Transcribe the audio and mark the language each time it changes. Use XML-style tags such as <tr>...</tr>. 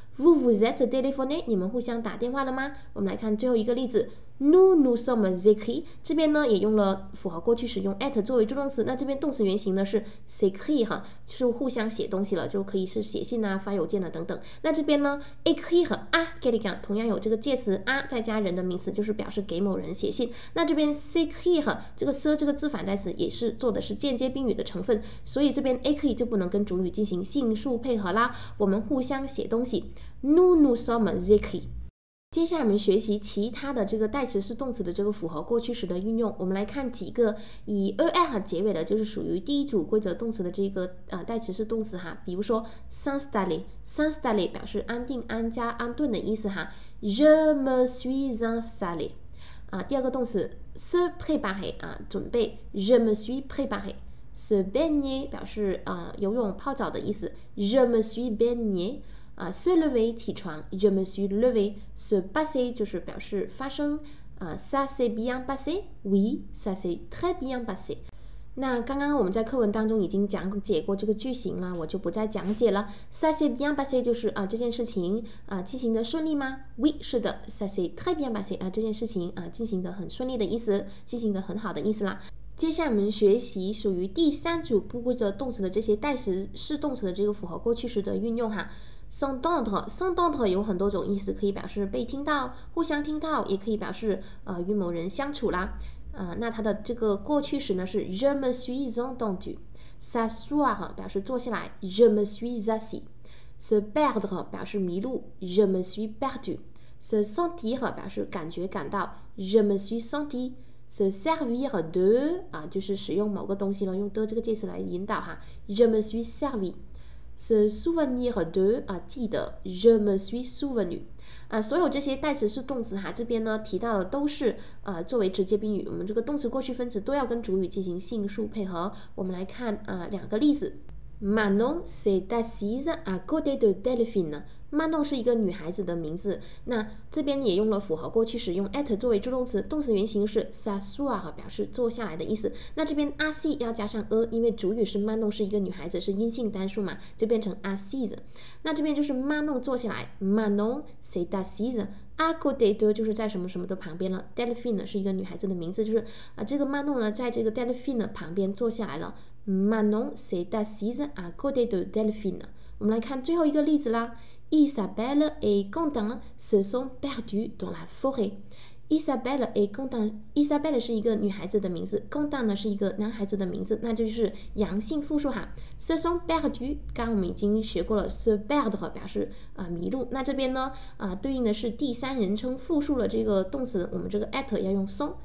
<fr>Vous vous êtes téléphoné，</fr> <zh>你们互相打电话了吗？我们来看最后一个例子，</zh> <fr>Nous nous sommes écrit，</fr> <zh>这边呢也用了符合过去时，用 at 作为助动词，那这边动词原形呢是 écrit 哈，就是互相写东西了，就可以是写信啊、发邮件啊等等。那这边呢 écrit 和 à quelqu'un 同样有这个介词 à 再加人的名词，就是表示给某人写信。那这边 écrit 这个 se 这个自反代词也是做的是间接宾语的成分，所以这边 écrit 就不能跟主语进行性数配合啦。我们互相写东西，</zh> <fr>Nous nous sommes écrit。</fr> <zh>接下来我们学习其他的这个代词是动词的这个符合过去时的运用。我们来看几个以 er 结尾的，就是属于第一组规则动词的这个代词是动词哈。比如说 s'installer 表示安定、安家、安顿的意思哈。</zh> <fr>Je me suis installé</fr> <zh>第二个动词</zh> <fr>se préparer</fr> <zh>准备。</zh> <fr>Je me suis préparé。</fr> <zh>Se baigner 表示游泳、泡澡的意思。</zh> <fr>Je me suis baigné。Se lever</fr> <zh>起床</zh> <fr>，je me suis levé。 Se passer</fr> <zh>就是表示发生，</zh> <fr>ça s'est bien passé， oui， ça s'est très bien passé。</fr> <zh>那刚刚我们在课文当中已经讲解过这个句型了，我就不再讲解了。</zh> <fr>ça s'est bien passé</fr> <zh>就是这件事情进行的顺利吗 ？</zh> <fr>Oui，</fr> <zh>是的 ，</zh> <fr>ça s'est très bien passé</fr> <zh>这件事情进行的很顺利的意思，进行的很好的意思啦。接下来我们学习属于第三组不规则动词的这些代词是动词的这个符合过去时的运用哈。 s'entendre 有很多种意思，可以表示被听到、互相听到，也可以表示与某人相处啦。那它的这个过去时呢是</zh> <fr>je me suis entendu。 s'asseoir</fr> <zh>表示坐下来</zh> <fr>，je me suis assis。 se perdre</fr> <zh>表示迷路</zh> <fr>，je me suis perdu。 se sentir</fr> <zh>表示感觉、感到</zh> <fr>，je me suis senti。</fr> <zh>se servir de 就是使用某个东西了，用 de 这个介词来引导哈 ，</zh> <fr>je me suis servi。</fr> <zh>se souvenir de 啊，记得</zh> <fr>je me suis souvenu</fr> <zh>啊，所有这些代词是动词哈，这边呢提到的都是作为直接宾语，我们这个动词过去分词都要跟主语进行性数配合。我们来看两个例子。</zh> <fr>Manon s'est assise à côté de Delphine.</fr> <zh>Manon 是一个女孩子的名字，那这边也用了符合过去时，用 at 作为助动词，动词原形是 s'asseoir， 表示坐下来的意思。那这边 assise 要加上 因为主语是 Manon 是一个女孩子，是阴性单数嘛，就变成 assise。那这边就是 Manon 坐下来 ，</zh> <fr>Manon s'est assise à côté de</fr> <zh>就是在什么什么的旁边了。 Delphine 是一个女孩子的名字，就是这个 Manon 呢，在这个 Delphine 旁边坐下来了。</zh> <fr>Manon s'est assise à côté de Delphine.</fr> <zh>我们来看最后一个例子啦。</zh> <fr>Isabelle et Quentin se sont perdus dans la forêt. Isabelle et Quentin.</fr> <zh>Isabelle 是一个女孩子的名字， Quentin 呢是一个男孩子的名字，那就是阳性复数哈。 Se sont perdus， 刚我们已经学过了 se perdre 表示迷路，那这边呢对应的是第三人称复数的这个动词，我们这个 at 要用 sont。</zh>